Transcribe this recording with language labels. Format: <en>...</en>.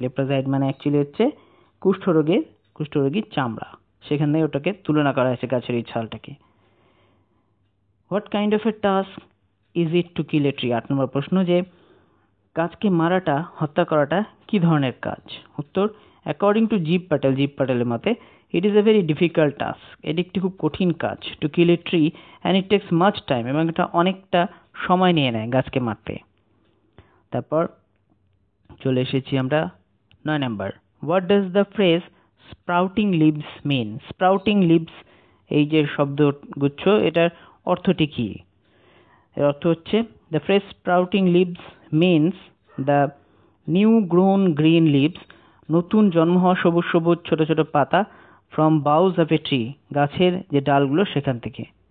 <bn>লেপ্রাস height মানে actually হচ্ছে কুষ্ঠরোগের, কুষ্ঠরোগীর চামড়া, সেখানে ওটাকে তুলনা করা হয়েছে গাছের এই ছালটাকে।</bn> <en>What kind of a task is it to kill a tree?</en> <bn>আট নম্বর প্রশ্ন, যে গাছকে মারাটা, হত্যা করাটা কী ধরনের কাজ? উত্তর,</bn> <en>According to Gieve Patel, Gieve Patel mate, it is a very difficult task.</en> <bn>এটি একটি খুব কঠিন কাজ</bn> <en>to kill a tree and it takes much time.</en> <bn>এবং এটা অনেকটা সময় নিয়ে নেয় গাছকে মারতে। তারপর চলে এসেছি আমরা 9 নম্বর।</bn> <en>What does the phrase sprouting leaves mean?</en> <bn>Sprouting leaves এই যে শব্দগুচ্ছ এটার অর্থটি কি? এর অর্থ হচ্ছে</bn> <en>the phrase sprouting leaves means the new grown green leaves</en> <bn>নতুন জন্ম হওয়া সবুজ সবুজ ছোট ছোট পাতা</bn> <en>from boughs of a tree</en> <bn>গাছের যে ডালগুলো সেখান থেকে</bn>